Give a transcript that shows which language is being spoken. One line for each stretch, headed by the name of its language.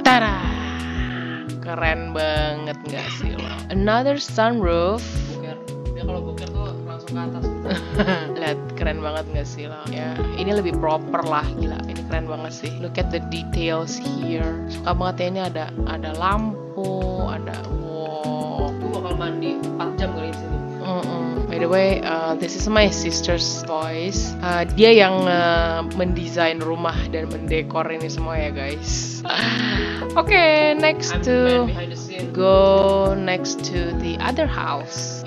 Indonesian: Tada! Keren banget enggak sih lo?
English: Another sunroof.
Indonesian: Boker. Dia kalau boker tuh langsung ke atas. Lihat, keren banget gak sih lo? Ya, ini lebih proper lah, gila. Ini keren banget sih.
English: Look at the details here.
Indonesian: Suka banget ya, ini ada lampu, ada wow. Gue bakal mandi 4 jam kali sini.
English: By the way, this is my sister's voice.
Indonesian: Dia yang mendesain rumah dan mendekor ini semua ya, guys.
English: Okay, next to go next to the other house.